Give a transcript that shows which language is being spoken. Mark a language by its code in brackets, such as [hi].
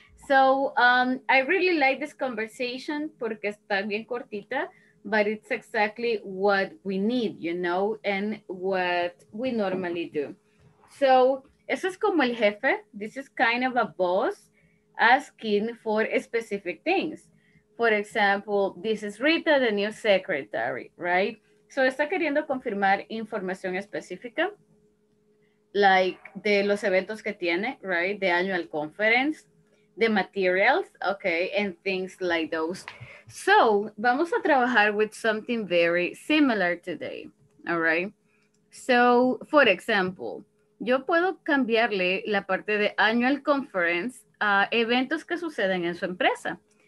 [en] So, I really like this conversation [es] porque está bien cortita, [en] but it's exactly what we need, you know, and what we normally do. So, [es] eso es como el jefe. [en] This is kind of a boss asking for specific things. For example, this is Rita, the new secretary, right? [es] So está queriendo confirmar información específica, like de los eventos que tiene, right? [en] The annual conference, the materials, okay, and things like those. So [es] vamos a trabajar [en] with something very similar today, all right? So for example, [es] yo puedo cambiarle la parte de annual conference a eventos que suceden en su empresa.